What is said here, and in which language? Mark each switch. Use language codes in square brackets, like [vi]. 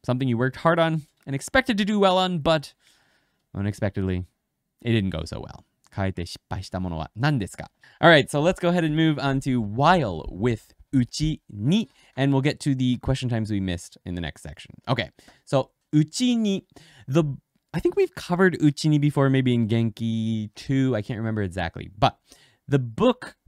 [en] Something you worked hard on and expected to do well on, but unexpectedly, it didn't go so well. [ja] かえて失敗したものは何ですか? [en] All right, so let's go ahead and move on to while with うちに, and we'll get to the question times we missed in the next section. Okay, so うちに, I think we've covered うちに before, maybe in Genki 2, I can't remember exactly, but the book...